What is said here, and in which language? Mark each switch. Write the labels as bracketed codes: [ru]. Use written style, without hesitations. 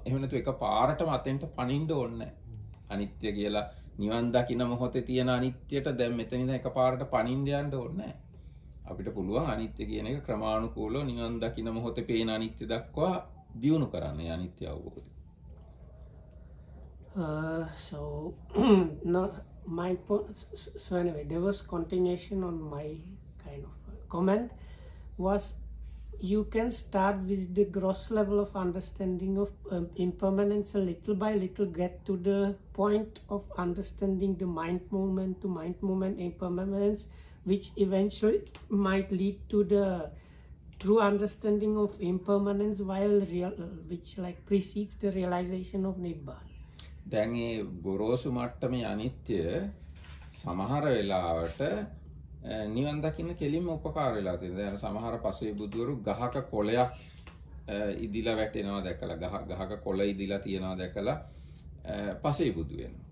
[si] එහෙම නැතු එක පාරටම අතෙන්ට පනින්න ඕනේ නැහැ. අනිත්‍ය කියලා නිවන් දකින මොහොතේ තියෙන අනිත්‍යට දැන් මෙතන ඉඳන් එක පාරට පනින්න යන්න ඕනේ නැහැ. අපිට පුළුවන් අනිත්‍ය කියන එක ක්‍රමානුකූලව නිවන් දකින මොහොතේ පේන අනිත්‍ය දක්වා දියුණු කරන්න අනිත්‍ය අවබෝධය. [en] So no, my point, so anyway, there was continuation on my kind of comment was you can start with the gross level of understanding of impermanence a little by little, get to the point of understanding the mind movement to mind movement impermanence, which eventually might lead to the true understanding of impermanence while real, which like precedes the realization of Nibbana. [si] දැන් ඒ ගොරෝසු මට්ටමේ අනිත්‍ය සමහර වෙලාවට නිවන් දකින්න කෙලින්ම උපකාර වෙලා තියෙනවා. දැන් සමහර පසේබුදුවරු ගහක කොළයක් ඉදිලා වැටෙනවා දැකලා ගහක කොළ ඉදිලා තියෙනවා දැකලා පසේබුදු වෙනවා.